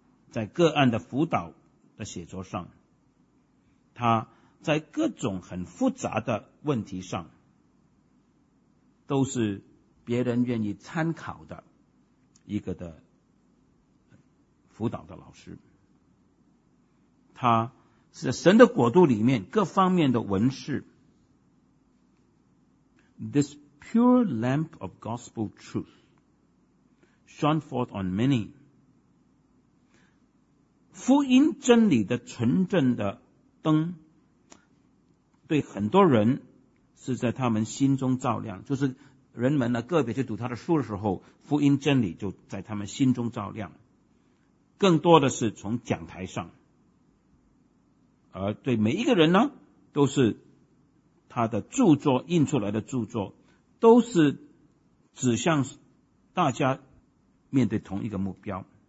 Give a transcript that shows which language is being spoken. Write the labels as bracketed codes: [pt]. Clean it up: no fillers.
[zh] 在个案的辅导的写作上，他在各种很复杂的问题上都是别人愿意参考的一个的辅导的老师。他是神的国度里面各方面的文士。 [en] This pure lamp of gospel truth shone forth on many. [zh] 福音真理的纯正的灯对很多人是在他们心中照亮，就是人们呢个别去读他的书的时候，福音真理就在他们心中照亮，更多的是从讲台上，而对每一个人呢都是他的著作，印出来的著作都是指向大家面对同一个目标。